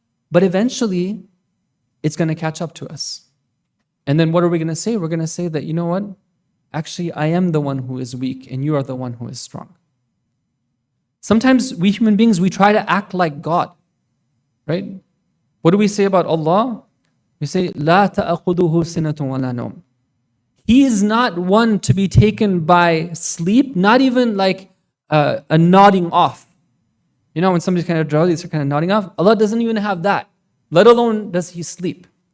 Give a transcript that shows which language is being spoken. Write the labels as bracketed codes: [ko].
[en] But eventually, it's going to catch up to us. And then what are we going to say? We're going to say that, you know what? Actually, I am the one who is weak and you are the one who is strong. Sometimes we human beings, we try to act like God. Right? What do we say about Allah? We say, [ar] لا تأخذه سنة ولا نوم. [en] He is not one to be taken by sleep, not even like a nodding off. You know, when somebody's kind of drowsy, they're kind of nodding off. Allah doesn't even have that, let alone does he sleep.